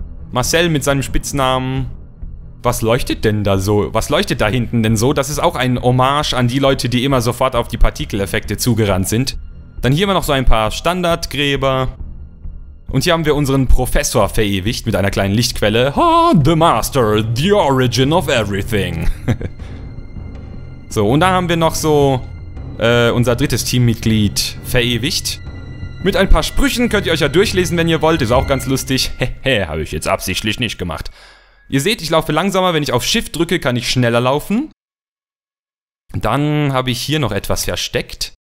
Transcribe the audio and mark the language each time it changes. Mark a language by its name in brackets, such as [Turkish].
[German] Marcel mit seinem Spitznamen. Was leuchtet denn da so? Was leuchtet da hinten denn so? Das ist auch ein Hommage an die Leute, die immer sofort auf die Partikeleffekte zugerannt sind. Dann hier immer noch so ein paar Standardgräber. Und hier haben wir unseren Professor verewigt mit einer kleinen Lichtquelle. [English] Ha, oh, the Master, the origin of everything. [German] So, und da haben wir noch so unser drittes Teammitglied verewigt. Mit ein paar Sprüchen könnt ihr euch ja durchlesen, wenn ihr wollt. Ist auch ganz lustig. Hehe, habe ich jetzt absichtlich nicht gemacht. Ihr seht, ich laufe langsamer. Wenn ich auf Shift drücke, kann ich schneller laufen. Dann habe ich hier noch etwas versteckt.